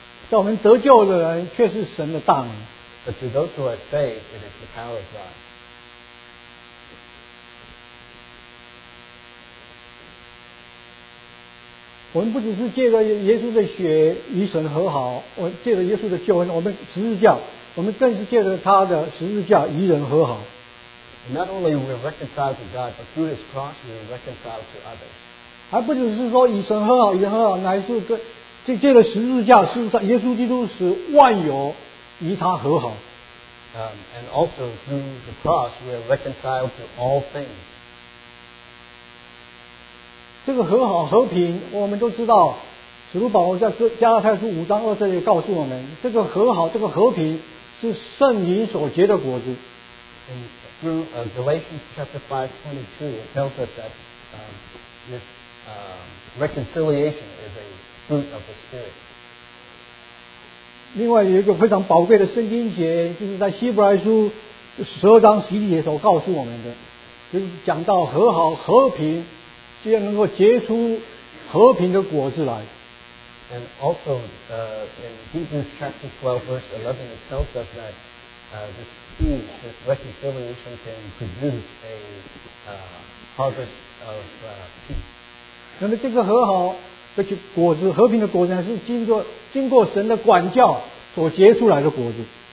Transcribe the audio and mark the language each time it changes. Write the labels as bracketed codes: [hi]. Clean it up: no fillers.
[zh] 在我们得救的人却是神的大能。 [en] But to those who are saved, it is the power of God. [zh] 我们不只是借着耶稣的血与神和好，我借着耶稣的救恩，我们十字架，我们更是借着他的十字架与人和好。 [en] Not only we are reconciled to God, but through His cross we are reconciled to others. [zh] 还不只是说以神和好，以神和好，乃是跟这借着十字架，事实上耶稣基督使万有与他和好。 [en] And also through the cross we are reconciled to all things. [zh] 这个和好和平，我们都知道，使徒保罗在加拉太书五章二节也告诉我们，这个和好，这个和平是圣灵所结的果子。 [en] Through Galatians chapter 5:22, it tells us that this reconciliation is a fruit of the Spirit. [zh] 另外有一个非常宝贵的圣经节，就是在希伯来书十二章十一节所告诉我们的，就是讲到和好和平，既然能够结出和平的果子来。 [en] And also, in Hebrews chapter 12, verse 11, it tells us that this peace, this reconciliation, can produce a harvest of peace. [zh] 那么这个和好的果子，和平的果子，是经过神的管教所结出来的果子。